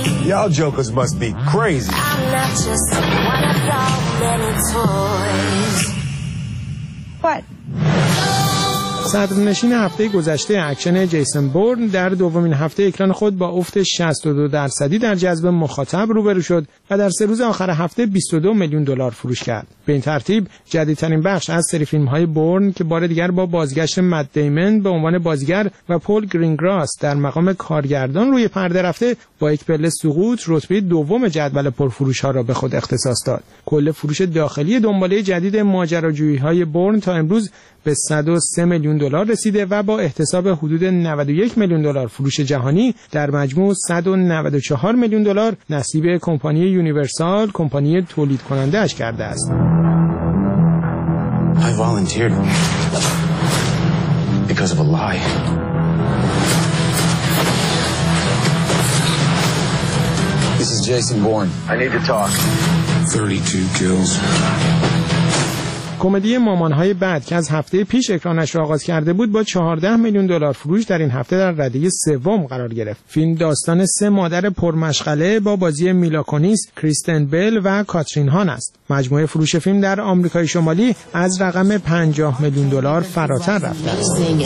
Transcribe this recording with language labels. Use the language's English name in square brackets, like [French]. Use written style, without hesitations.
[English] Y'all jokers must be crazy. I'm not just one of your many toys. What? [Persian] صدرنشین هفته گذشته اکشن جیسون بورن در دومین هفته اکران خود با افت 62% در جذب مخاطب روبرو شد و در سه روز آخر هفته 22 میلیون دلار فروش کرد. به این ترتیب جدیدترین بخش از سری فیلم‌های بورن که بار دیگر با بازگشت مت دیمن به عنوان بازیگر و پول گرینگراس در مقام کارگردان روی پرده رفته با یک پله سقوط رتبه دوم جدول پرفروش‌ها را به خود اختصاص داد. کل فروش داخلی دنباله جدید ماجراجویی‌های بورن تا امروز به 103 میلیون دلار رسیده و با احتساب حدود 91 میلیون دلار فروش جهانی در مجموع 194 میلیون دلار نصیب کمپانی یونیورسال، کمپانی تولید کننده اش کرده است. [English] I volunteered because of a lie. This is Jason Bourne. I need to talk. 32 kills. [Persian] کمدی مامان‌های بعد که از هفته پیش اکرانش را آغاز کرده بود با 14 میلیون دلار فروش در این هفته در رده سوم قرار گرفت. فیلم داستان سه مادر پرمشغله با بازی میلا کونیس، کریستن بیل و کاترین هان است. مجموعه فروش فیلم در آمریکای شمالی از رقم 50 میلیون دلار فراتر رفته است.